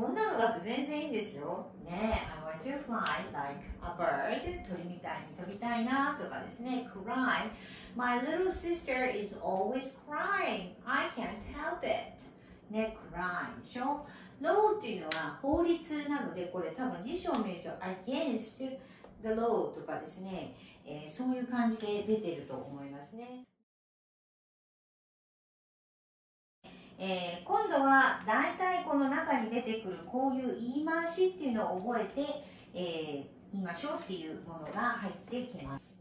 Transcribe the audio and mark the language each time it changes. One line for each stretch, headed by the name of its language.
Japanese: こんなのだと全然いいんですよね。
English: I want to fly like a bird、
Japanese: 鳥みたいに飛びたいなとかですね。
English: Cry, my little sister is always crying, I can't help it
Japanese: ね、cry でしょ。 Law っていうのは法律なので、これ多分辞書を見ると
English: against the law
Japanese: とかですね、そういう感じで出てると思いますね。今度はだいたいこの中に出てくるこういう言い回しっていうのを覚えて、言いましょうっていうものが入ってきます。